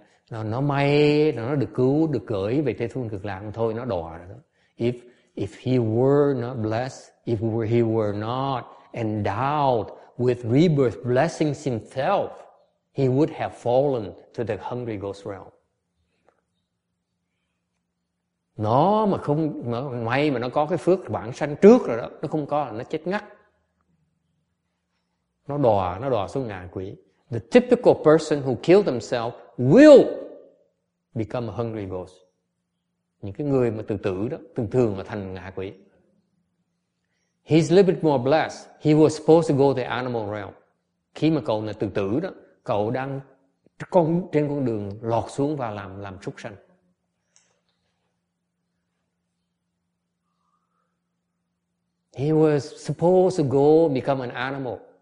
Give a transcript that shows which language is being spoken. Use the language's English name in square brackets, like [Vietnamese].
[Vietnamese] Nó may nó được cứu, được gửi về Tây Phương Cực Lạc thôi, nó đọa rồi đó. [English] If he were not blessed, if he were not endowed with rebirth blessings himself, he would have fallen to the hungry ghost realm. [Vietnamese] Nó mà không may mà nó có cái phước bản sanh trước rồi đó, nó không có là nó chết ngắt. Nó đọa xuống ngạ quỷ. [English] The typical person who killed himself will become a hungry ghost. [Vietnamese] Những cái người mà tự tử đó thường thường mà thành ngạ quỷ. [English] He's a little bit more blessed. He was supposed to go to the animal realm. [Vietnamese] Khi mà cậu này tự tử đó, cậu đang trên con đường lọt xuống và làm súc sanh. [English] He was supposed to go become an animal.